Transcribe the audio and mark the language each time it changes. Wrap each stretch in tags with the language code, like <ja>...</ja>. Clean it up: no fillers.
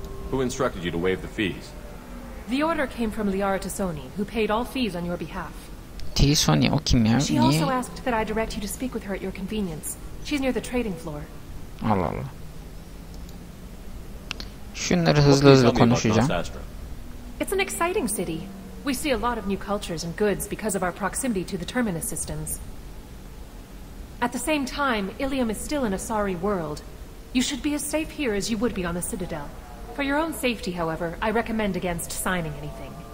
<en>Who instructed you to waive the fees? The order came from Liara Tassoni, who paid all fees on your behalf.</en> <tr>Tisoni, o kim ya?</tr> <en>She also asked that I direct you to speak with her at your convenience. She's near the trading floor.</en> <tr>Allah Allah. Şunları hızlı konuşacağım.</tr> <en>It's an exciting city. We see a lot of new cultures and goods because of our proximity to the terminus systems. At the same time, Ilium is still in a sorry world. You should be as safe here as you would be on the Citadel. For your own safety, however, I recommend against signing anything.</en>